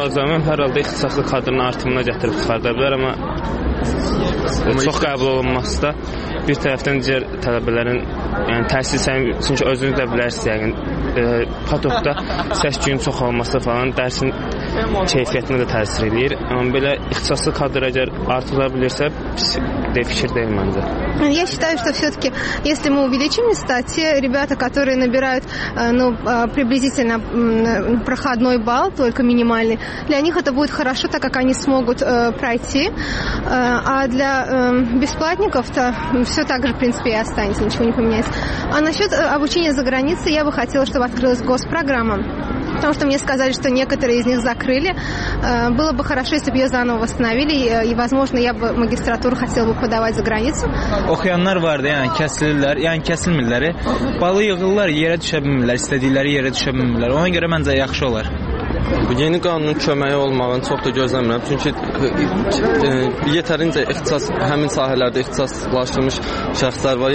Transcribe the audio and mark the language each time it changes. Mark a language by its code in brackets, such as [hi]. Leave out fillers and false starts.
[az] Nazamən hər halda ixtisaslı kadrın artımına gətirib çıxarda bilər, amma çox qəbul olunması da bir tərəfdən digər tələbələrin, yəni təhsil səyini, çünki özünüz də bilərsiniz, yəqin, patokda səs günün çox olması falan dərsin keyfiyyətinə də təsir edir. Amma belə ixtisaslı kadr əgər artıra bilirsə, pis de fikir deyil məncə. [ru] Я считаю, что всё-таки, если мы увеличим статьи, ребята, которые набирают, ну, приблизительно проходной балл, только минимальный, для них это будет хорошо, так как они смогут пройти. А для бесплатников-то всё так же, в принципе, и останется, ничего не поменяется. А насчёт обучения за границей, я бы хотела, чтобы открылась госпрограмма. Потому что мне сказали, что некоторые из них закрыли. Было бы хорошо, если бы ее заново восстановили. И, возможно, я бы магистратуру хотела бы подавать за границу. [az] Oxuyanlar vardı, yəni kəsilirlər, yəni kəsilmirlər. Balı yığırlar, yerə düşə bilmirlər, istədikləri yerə düşə bilmirlər. Ona görə məncə yaxşı olar. Bu yeni qanunun köməyi olmağını çox da gözləmirəm. Çünki yetərincə ixtisas, həmin sahələrdə ixtisaslaşmış şəxslər var.